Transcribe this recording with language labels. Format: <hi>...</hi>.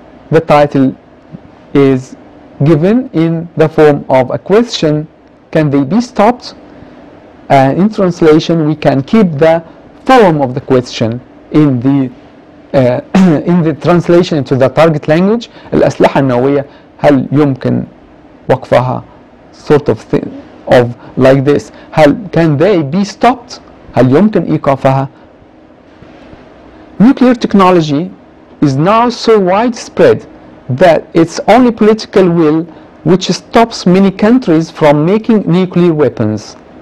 <en>The title is given in the form of a question. Can they be stopped? And in translation, we can keep the form of the question in the in the translation into the target language.</en> <ar>الأسلحة النووية هل يمكن وقفها؟</ar> <en>Sort of thing of like this. هل can they be stopped?</en> <ar>هل يمكن إيقافها؟</ar> <en>Nuclear technology is now so widespread that it's only political will which stops many countries from making nuclear weapons.</en>